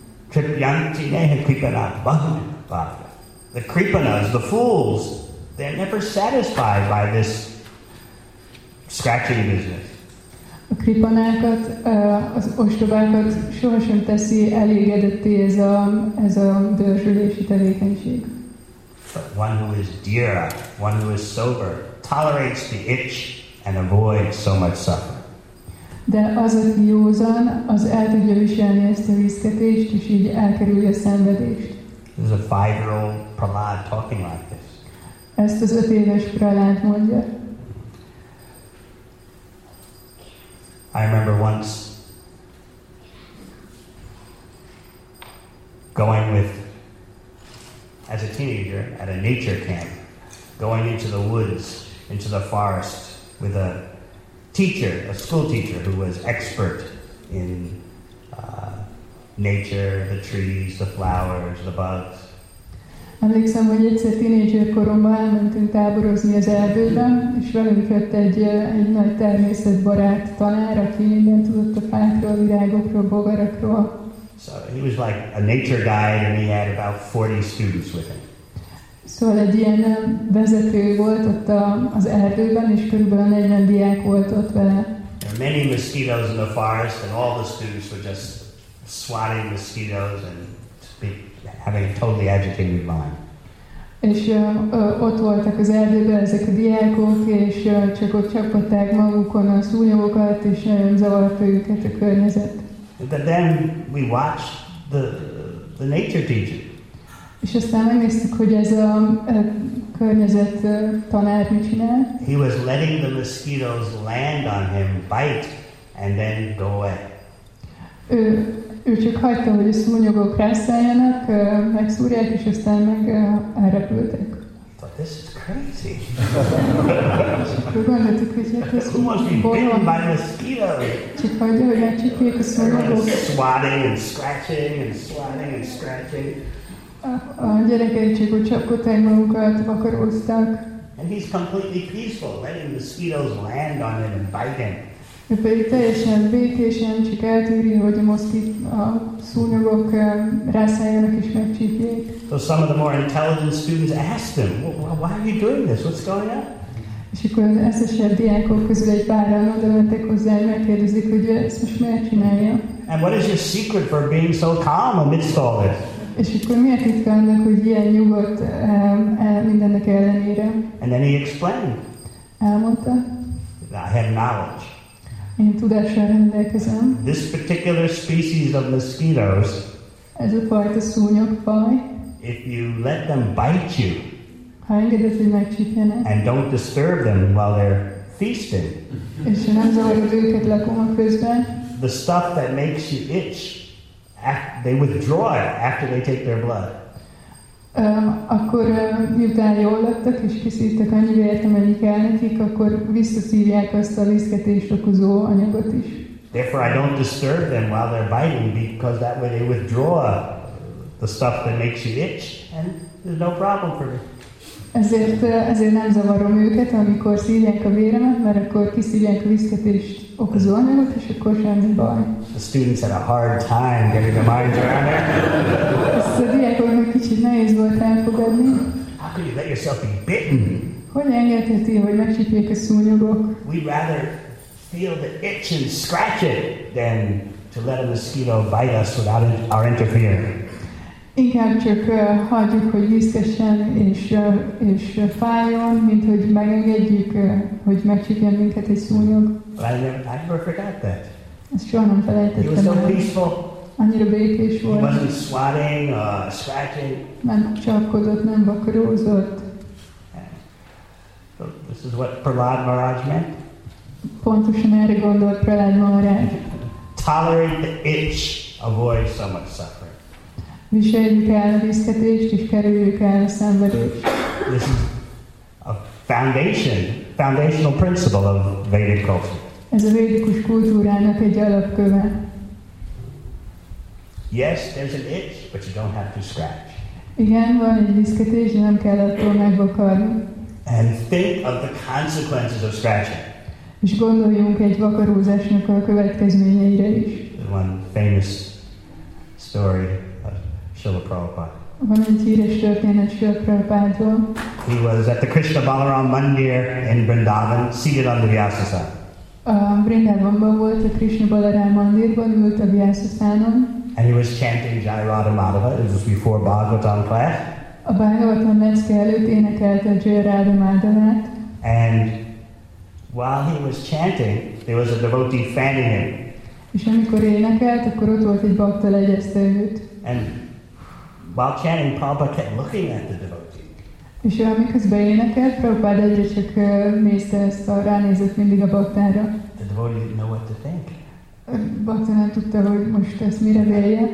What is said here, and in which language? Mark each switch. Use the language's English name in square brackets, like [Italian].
[Sanskrit] Kripyanti neha kripanat bahun bahya. [English] The kripanas, the fools, they're never satisfied by this scratching business. [Hungarian] A kripanákat, az ostobákat sohasem teszi elégedetté ez a dörzsülési tevékenység. [English] But one who is dira, one who is sober, tolerates the itch and avoids so much suffering. [Hungarian] De az a józan, az el tudja viselni ezt a viszketést, és így elkerülje a szenvedést. [English] This is a 5-year-old Prahlad talking like this. [Hungarian] Ezt az 5 éves Prahlad mondja. [English] I remember once going with, as a teenager, at a nature camp, going into the woods, into the forest, with a teacher, a school teacher, who was expert in nature, the trees, the flowers, the bugs. [Hungarian] Emlékszem, hogy egyszer tínédzser koromban elmentünk táborozni az erdőben, és velünk jött egy nagy természetbarát tanár, aki mindent tudott a fákról, virágokról, bogarakról. [English] So he was like a nature guide, and he had about 40 students with him. [Hungarian] Szóval egy ilyen vezető volt ott az erdőben, és körülbelül 40 diák volt ott vele. [English] There were many mosquitoes in the forest, and all the students were just swatting mosquitoes and having a totally agitated mind. [Hungarian] És ott voltak az erdőben ezek a diákok, és csak ott csapották magukon a szúnyogokat, és nagyon zavarta őket a környezet. [English] But then we watched the nature teacher. [Hungarian] És aztán megnéztük, hogy ez a környezet tanár mit csinál. [English] He was letting the mosquitoes land on him, bite, and then go away. [Hungarian] Ő csak hagyta, hogy a szúnyogok rászálljanak, megszúrják, és aztán meg elrepültek. [English] But this is crazy. [Hungarian] Gondoltuk, hogy ez bolyan. Csak hagyja, hogy elcsípjék a szúnyogok. [English] Swatting and scratching and swatting and scratching. [Hungarian] A gyerekek csak úgy csapkodták magukat, vakaróztak. [English] And he's completely peaceful, letting mosquitoes land on him and bite him. [Hungarian] Ő pedig teljesen békésen csak eltűri, hogy a moszkit a szúnyogok rászálljanak és megcsípjék. [English] So some of the more intelligent students asked him, why are you doing this? What's going on? [Hungarian] És akkor az eszesebb diákok közül egy páran oda mentek hozzá, és megkérdezik, hogy ő ezt most miért csinálja. [English] And what is your secret for being so calm amidst all this? [Hungarian] És akkor miért itt vannak, hogy ilyen nyugodt mindennek ellenére? [English] And then he explained. [Hungarian] Elmondta. [English] I have knowledge. [Hungarian] Én tudással rendelkezem. [English] This particular species of mosquitoes, [Hungarian] ez a fajta szúnyogfaj, [English] if you let them bite you, [Hungarian] ha engeded, hogy megcsípjenek, [English] and don't disturb them while they're feasting, [Hungarian] és ha nem zavarod őket lakoma közben, [English] the stuff that makes you itch, they withdraw it after they take their blood. [Hungarian] Akkor miután jól lettek és kiszívtak annyi vért, amennyi kell nekik, akkor visszaszívják azt a lészketést okozó anyagot is. [English] Therefore I don't disturb them while they're biting, because that way they withdraw the stuff that makes you itch, and there's no problem for me. [Hungarian] Ezért nem zavarom őket, amikor szívják a véremet, mert akkor kiszívják a lészketést okozó anyagot, és akkor semmi baj. [English] The students had a hard time getting their minds around it. [Hungarian] Kicsit nehéz volt elfogadni. [English] How could you let yourself be bitten? [Hungarian] Hogy engedheti, hogy megcsípjék a szúnyogok? [English] We'd rather feel the itch and scratch it than to let a mosquito bite us without our interfering. [Hungarian] Inkább csak hagyjuk, hogy ízkessen és fájjon, mint hogy megengedjük, hogy megcsípjen minket egy szúnyog. [English] I never forgot that. [Hungarian] Ezt soha nem felejtettem. [English] He was so peaceful. [Hungarian] Annyira békés volt. [English] He wasn't swatting, scratching. [Hungarian] Nem csapkodott, nem vakarózott. [English] So this is what Prahlad Maharaj meant. [Hungarian] Pontosan erre gondolt Prahlad Maharaj. [English] Tolerate the itch, avoid so much suffering. [Hungarian] Viseljük el a viszketést, és kerüljük el a szenvedést. [English] This is a foundational principle of Vedic culture. [Hungarian] Ez a védikus kultúrának egy alapköve. [English] Yes, there's an itch, but you don't have to scratch. [Hungarian] Igen, van egy viszketés, nem kell attól megvakarni. [English] And think of the consequences of scratching. [Hungarian] És gondoljunk egy vakarózásnak a következményeire is. [English] One famous story of Srila Prabhupada. [Hungarian] Van egy híres történet Srila Prabhupádról. [English] He was at the Krishna Balaram Mandir in Vrindavan, seated on the Vyasasa. [Hungarian] Vrindavanban volt a Krishna Balaram Mandirban, ült a Vyasasanon. [English] And he was chanting Jai Radha Madhava. It was before Bhagavatam class. [Hungarian] A Bhagavatam mecke előtt énekelte Jai Radha Madhavát. [English] And while he was chanting, there was a devotee fanning him. [Hungarian] És amikor énekelt, akkor ott volt egy bhakta legyezte őt. [English] And while chanting, Prabhupada kept looking at the devotee. [Hungarian] És amiközben énekelt, Prabhupada egyre csak nézte ezt, ránézett mindig a bhaktára. [English] The devotee didn't know what to think. [Hungarian] Bhakta nem tudta, hogy most ezt mire vélje.